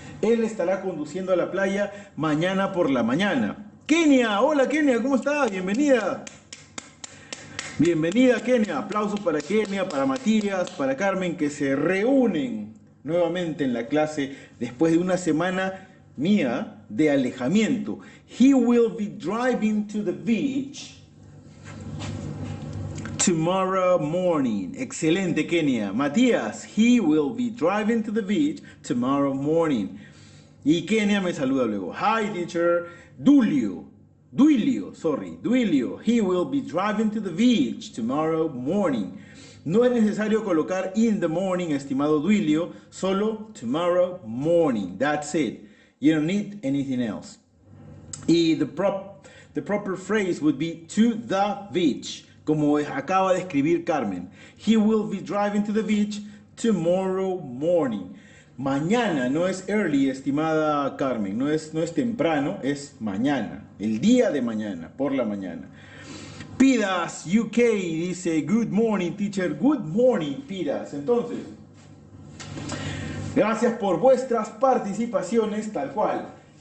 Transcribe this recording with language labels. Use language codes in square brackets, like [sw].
[es] Él estará conduciendo a la playa mañana por la mañana. Kenia, hola Kenia, ¿cómo está? Bienvenida. Bienvenida Kenia, aplausos para Kenia, para Matías, para Carmen, que se reúnen nuevamente en la clase después de una semana mía de alejamiento. [en] He will be driving to the beach tomorrow morning. [es] Excelente [en] Kenia. Matías, he will be driving to the beach tomorrow morning. [es] Y Kenia me saluda luego. [en] Hi teacher. Duilio, he will be driving to the beach tomorrow morning. [es] No es necesario colocar [en] in the morning, [es] estimado [en] Duilio, [es] solo [en] tomorrow morning, that's it. You don't need anything else. [es] Y [en] the proper phrase would be to the beach, [es] como acaba de escribir [en] Carmen. He will be driving to the beach tomorrow morning. [es] Mañana no es early, estimada Carmen, no es temprano, es mañana. El día de mañana, por la mañana. [en] Pidas UK [es] dice, [en] good morning, teacher. Good morning, Pidas. [es] Entonces, gracias por vuestras participaciones, tal cual.